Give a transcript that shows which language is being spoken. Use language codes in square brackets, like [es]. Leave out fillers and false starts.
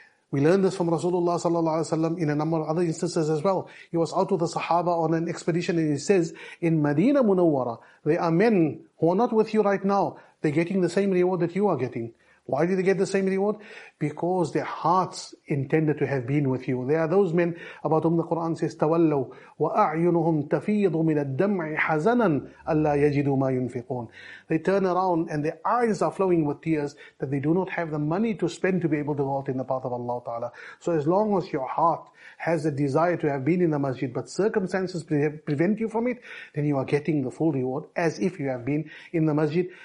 [en] We learn this from Rasulullah sallallahu alaihi wasallam in a number of other instances as well. He was out with the Sahaba on an expedition, and he says, in Madina Munawwara, there are men who are not with you right now. They're getting the same reward that you are getting. Why did they get the same reward? Because their hearts intended to have been with you. They are those men about whom the Quran says, [ar] تَوَلَّوْا وَأَعْيُنُهُمْ تَفِيضُ مِنَ الدَّمْعِ حَزَنًا أَلَّا يَجِدُوا مَا يُنْفِقُونَ. [en] They turn around and their eyes are flowing with tears that they do not have the money to spend to be able to go out in the path of Allah Ta'ala. So as long as your heart has a desire to have been in the masjid, but circumstances prevent you from it, then you are getting the full reward as if you have been in the masjid.